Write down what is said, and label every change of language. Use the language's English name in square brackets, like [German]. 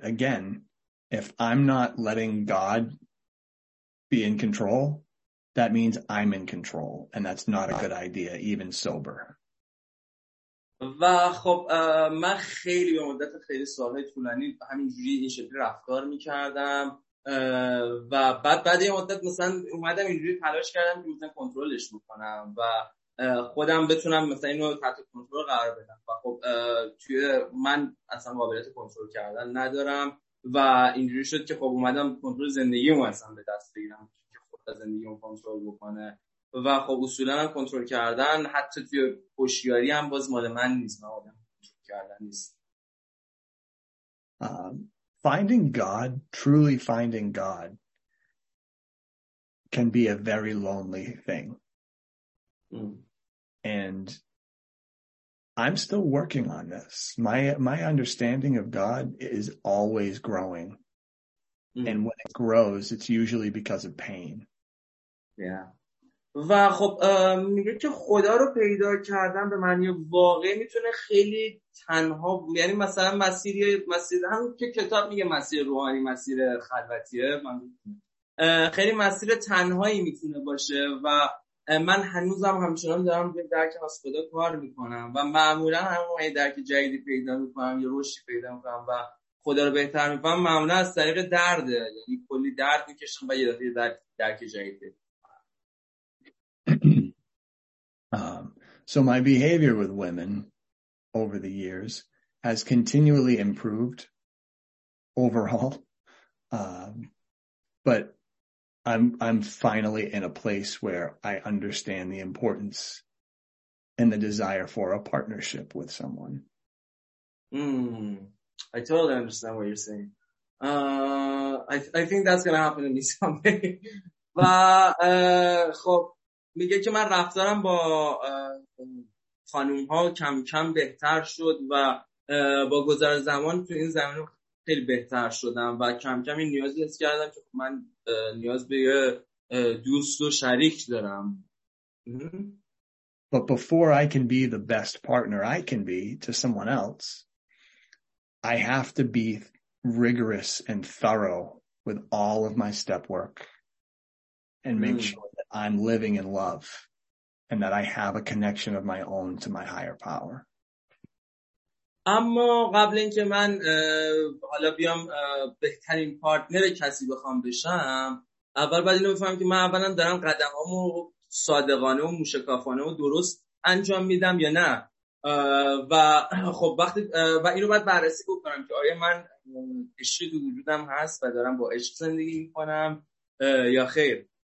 [English] Again, if I'm not letting God be in control, that means I'm in control. And that's not a good idea, even sober. [Persian] و خب من خیلی به مدت خیلی سالهای طولانی همینجوری این شکلی رفتار میکردم و بعد یه مدت مثلا اومدم اینجوری تلاش کردم که بتونم کنترلش بکنم و خودم بتونم مثلا اینو تحت کنترل قرار بدم و خب توی من اصلا قابلیت کنترل کردن ندارم و اینجوری شد که خب اومدم کنترل زندگیمو اصلا به دست بگیرم که خودم زندگیمو کنترل بکنه و خب اصولا من کنترل کردن حتی توی هوشیاری هم باز مال من نیست، من آدم کنترل کردن نیست. [English] Finding God, truly finding God, can be a very lonely thing. And I'm still working on this. My understanding of God is always growing. And when it grows, it's usually because of pain. Yeah. [Persian] و خب میگه که خدا رو پیدا کردن به معنی واقعی میتونه خیلی تنها، یعنی مثلا مسیر هم که کتاب میگه مسیر روحانی، مسیر خلوتیه، من خیلی مسیر تنهایی میتونه باشه و من هنوزم همچنان دارم به درک از خدا کار میکنم و معمولا همون درک جدیدی پیدا میکنم، یه روشی پیدا میکنم و خدا رو بهتر میفهمم معمولا از طریق درده، یعنی کلی درد میکشم و یه دفعه درک جدید. [English] So my behavior with women over the years has continually improved overall. But I'm finally in a place where I understand the importance and the desire for a partnership with someone. I totally understand what you're saying. I think that's going to happen to me someday. [Persian] و خب میگه که من رفتارم با خانوم ها کم کم بهتر شد و با گذر زمان تو این زمینه خیلی بهتر شدم و کم کم این نیازی حس کردم که من نیاز به یه دوست و شریک دارم. [English] But before I can be the best partner I can be to someone else, I have to be rigorous and thorough with all of my step work and make sure that I'm living in love and that I have a connection of my own to my higher power. [Persian] اما قبل اینکه من حالا بیام بهترین پارتنر کسی بخوام بشم، اول باید اینو بفهمم که من اولا دارم قدمامو صادقانه و موشکافانه و درست انجام میدم یا نه، و خب وقتی و اینو باید بررسی بکنم که آیا من عشقی تو وجودم هست و دارم با عشق زندگی میکنم یا خیر.